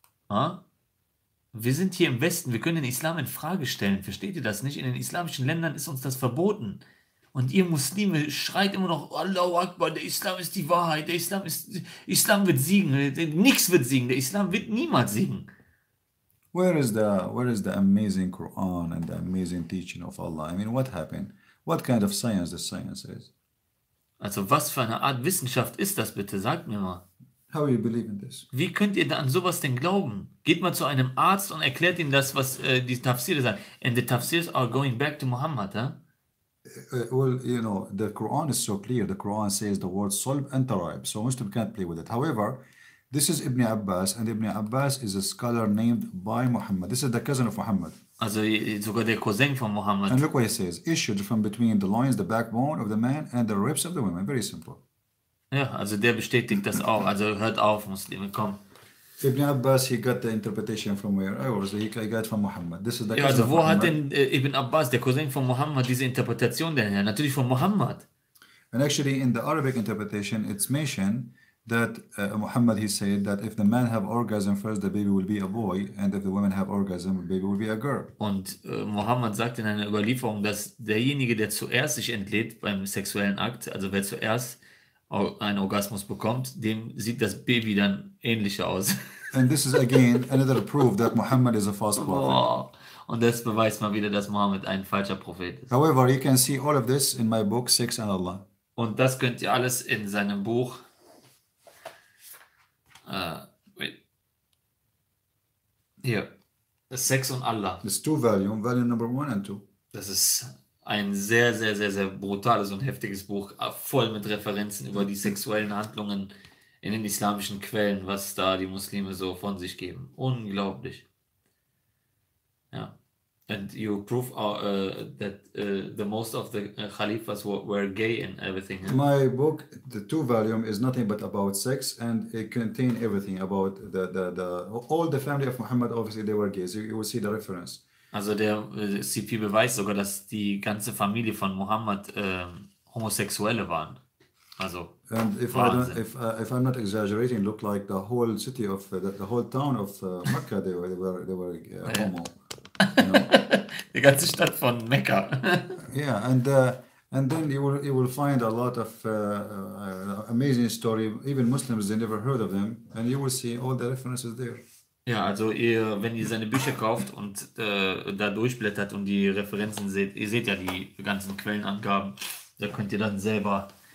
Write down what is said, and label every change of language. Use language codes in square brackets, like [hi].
[de] Huh? Wir sind hier im Westen, wir können den Islam in Frage stellen. Versteht ihr das nicht? In den islamischen Ländern ist uns das verboten. Und ihr Muslime schreit immer noch, Allahu Akbar, der Islam ist die Wahrheit, der Islam ist, Islam wird siegen, nichts wird siegen, der Islam wird niemals siegen. [en] Where is the amazing Quran and the amazing teaching of Allah? I mean, what happened? What kind of science the science is? [de] Also, was für eine Art Wissenschaft ist das bitte? Sagt mir mal. [en] How you believe in this? [de] Wie könnt ihr an sowas denn glauben? Geht mal zu einem Arzt und erklärt ihm das, was die Tafsir sagen. [en] And the Tafsirs are going back to Muhammad, huh? Well, you know, the Quran is so clear. The Quran says the word sulb and taraib. So Muslim can't play with it. However, this is Ibn Abbas, and Ibn Abbas is a scholar named by Muhammad. This is the cousin of Muhammad. [de] Also sogar der Cousin von Muhammad. [en] And look what he says. Issued from between the loins, the backbone of the man, and the ribs of the woman. Very simple. [de] Ja, also der bestätigt das auch. Also hört auf, Muslime, komm. [en] Ibn Abbas, he got the interpretation from where? Obviously, he got it from Muhammad. This is the [de] ja, also wo hat denn Ibn Abbas, der Cousin von Muhammad, diese Interpretation denn her? Natürlich von Muhammad. [en] And actually, in the Arabic interpretation, it's mentioned that Muhammad, he said that if the man have orgasm first, the baby will be a boy, and if the woman have orgasm, the baby will be a girl. [de] Und Muhammad sagt in einer Überlieferung, dass derjenige, der zuerst sich entlädt beim sexuellen Akt, also wer zuerst einen Orgasmus bekommt, dem sieht das Baby dann ähnlicher aus. [en] And this is again another proof that Muhammad is a false prophet. [de] Oh, und das beweist mal wieder, dass Muhammad ein falscher Prophet ist. [en] However, you can see all of this in my book Sex and Allah. [de] Und das könnt ihr alles in seinem Buch hier, Sex und Allah. [en] It's two volume, volume number one and two. [de] Das ist ein sehr, sehr, sehr, sehr brutales und heftiges Buch, voll mit Referenzen über die sexuellen Handlungen in den islamischen Quellen, was da die Muslime so von sich geben. Unglaublich. Ja. [en] And you prove that the most of the Khalifas were gay and everything. Eh? My book, the two volume, is nothing but about sex, and it contains everything about all the family of Muhammad. Obviously, they were gays. You will see the reference. [de] Also der CP beweist sogar, dass die ganze Familie von Muhammad Homosexuelle waren. Also [en] and if I'm not exaggerating, look like the whole city of the whole town of Mecca, they were homo. [de] Die ganze Stadt von Mekka. [en] Yeah, and then you will find a lot of amazing story. Even Muslims, they never heard of them, and you will see all the references there. [de] Ja, also ihr, wenn ihr seine Bücher kauft und da durchblättert und die Referenzen seht, ihr seht ja die ganzen Quellenangaben, da könnt ihr dann selber.